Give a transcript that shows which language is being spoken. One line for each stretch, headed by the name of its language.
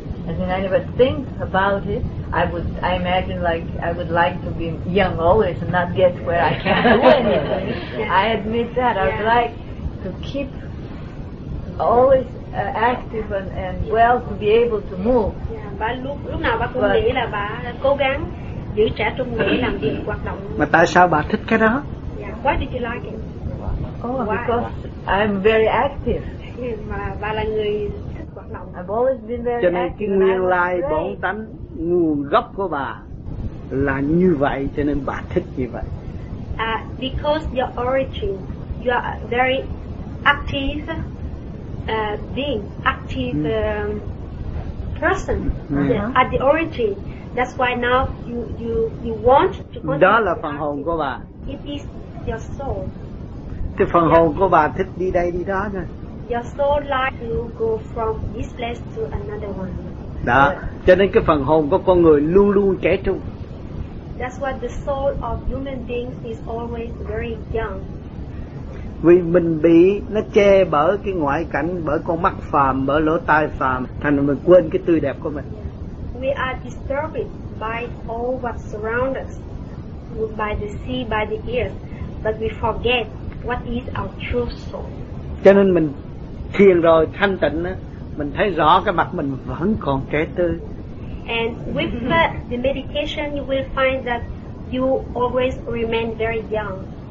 English: I mean, I never think about it. I imagine like I would like to be young always and not get where I can't do anything. Yeah. I admit that. Yeah. I would like to keep always active and well to be able to move. Yeah.
Vietnamese: Bà lúc nào bà cũng nghĩ là bà cố gắng. Giữ trẻ trung nghĩ làm việc hoạt động. Mà tại sao bà thích cái đó?
English: Yeah. Why did you like it? Oh, because I'm very active.
Vietnamese: Mà bà là người thích hoạt động.
English: I've always been very
Vietnamese: cho nên
English: active.
Vietnamese: Cái nguyên lai bổn tánh nguồn gốc của bà là như vậy, cho nên bà thích như vậy.
English: Because your origin, you are very active being, active person. Yeah. At the origin. That's why now you want to continue.
Vietnamese: Đó là phần hồn của bà.
English: It is your soul.
Vietnamese: Cái phần hồn của bà thích đi đây đi đó nha.
English: Your soul like to go from this place to another one.
Vietnamese: Đó. Cho nên cái phần hồn của con người luôn luôn trẻ trung.
English: That's why the soul of human beings is always very young.
Vietnamese: Vì mình bị nó che bởi cái ngoại cảnh, bởi con mắt phàm, bởi lỗ tai phàm, thành mình quên cái tươi đẹp của mình.
English: We are disturbed by all what surrounds us, by the sea, by the ears, but we forget what is our true soul.
Vietnamese: Cho nên mình thiền rồi thanh tịnh á, mình thấy rõ cái mặt mình vẫn còn trẻ tươi.
English: And with the meditation, you will find that you always remain very young.